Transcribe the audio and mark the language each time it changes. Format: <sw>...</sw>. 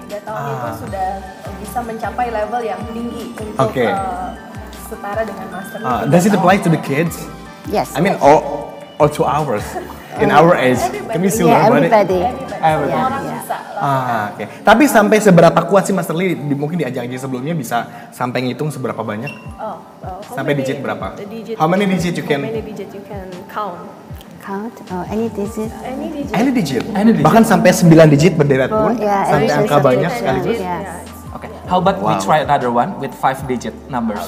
<id>Itu sudah bisa mencapai level yang tinggi untuk setara dengan master.</id> <en>Does it apply to the kids? Yes. I mean, all to ours in our age. Can we still learn about it? Everybody. Yeah, yeah.</en> <id>Okay. Tapi sampai seberapa kuat sih Master Lee? Mungkin di ajang-ajang sebelumnya bisa sampai ngitung seberapa banyak? Sampai digit berapa?</id> <en>How many digits you can count? Any digit.</en> <id>Bahkan sampai 9 digit berderet pun, sampai angka banyak sekali.</id> <en>Yes. Okay. How about we try another one with 5 digit numbers?</en>